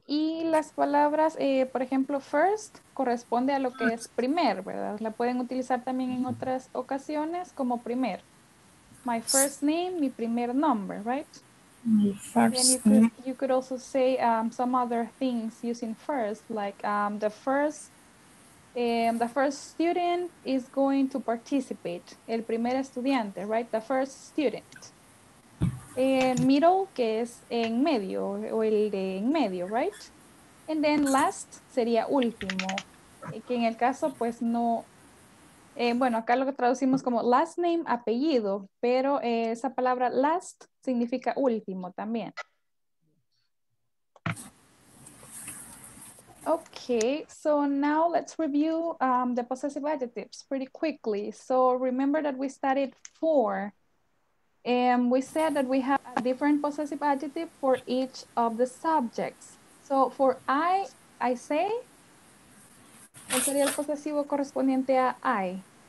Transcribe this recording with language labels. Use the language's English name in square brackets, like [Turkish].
[Spanish] Y las palabras, por ejemplo, first corresponde a lo que es primer, ¿verdad? La pueden utilizar también en otras ocasiones como primer. [English] My first name, [Spanish] mi primer nombre, [English] right? You could also say some other things using first, like the first student is going to participate. [Spanish] El primer estudiante, right? [English] The first student. And middle, [Spanish] que es en medio, o el de en medio, right? And then last sería último, que en el caso pues no... bueno, acá lo que traducimos como last name, apellido, pero esa palabra last significa último también. [English] Okay, so now let's review the possessive adjectives pretty quickly. So remember that we studied four. And we said that we have a different possessive adjective for each of the subjects. So for I say, [Spanish] ¿cuál sería el posesivo correspondiente a I?